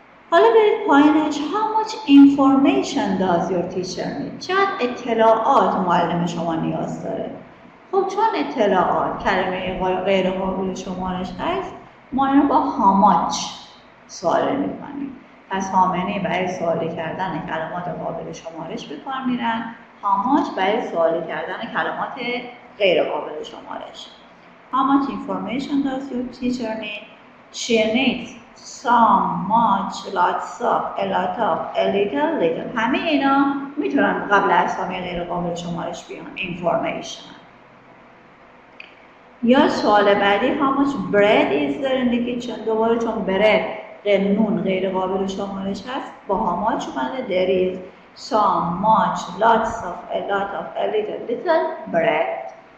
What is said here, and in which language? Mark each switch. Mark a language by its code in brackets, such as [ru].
[fa] حالا برید پایینش. [en] How much information does your teacher need؟ [fa] چقدر اطلاعات معلم شما نیاز داره؟ خب چون اطلاعات کلمه غیر قابل شمارش هست، ما اینو با [en] how much [fa] سوال میکنیم. پس [en] how many [fa] برای سوال کردن کلمات قابل شمارش بکار میرن، [en] how much [fa] برای سوال کردن کلمات غیر قابل شمارش. [en] How much information does your teacher need؟ She needs some، much، lots of، a lot of، a little، little. [fa] همه اینا میتونن قبل از اسامی غیر قابل شمارش بیان، information. یا سوال بعدی، [en] how much bread is there in the kitchen؟ [fa] دوباره چون bread نون غیر قابل شمارش هست، با [en] how much [fa] اومده. [en] There is some، much، lots of، a lot of، a little، little bread.